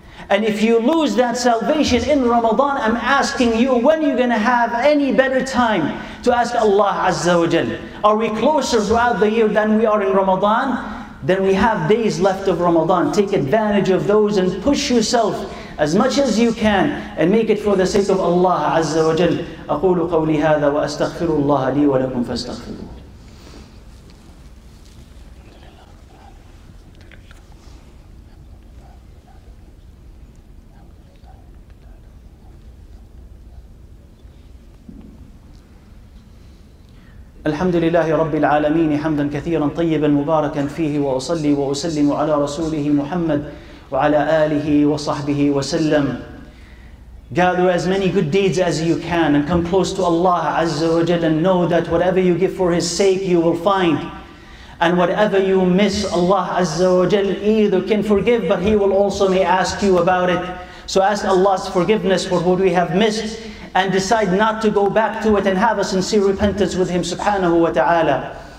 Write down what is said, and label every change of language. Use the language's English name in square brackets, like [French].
[English] And if you lose that salvation in Ramadan, I'm asking you, when are you going to have any better time to ask Allah Azza wa Jal? Are we closer throughout the year than we are in Ramadan? Then we have days left of Ramadan. Take advantage of those and push yourself as much as you can and make it for the sake of Allah Azza wa Jal. [Arabic] أقول قولي هذا وأستغفر الله لي ولكم فاستغفروه. الحمد لله رب العالمين حمدا كثيرا طيبا مباركا فيه وأصلي وأسلم على رسوله محمد وعلى آله وصحبه وسلم. [English] Gather as many good deeds as you can and come close to Allah Azza wa Jalla and know that whatever you give for His sake you will find. And whatever you miss, Allah Azza wa Jalla either can forgive, but He will also may ask you about it. So ask Allah's forgiveness for what we have missed and decide not to go back to it and have a sincere repentance with Him subhanahu wa ta'ala.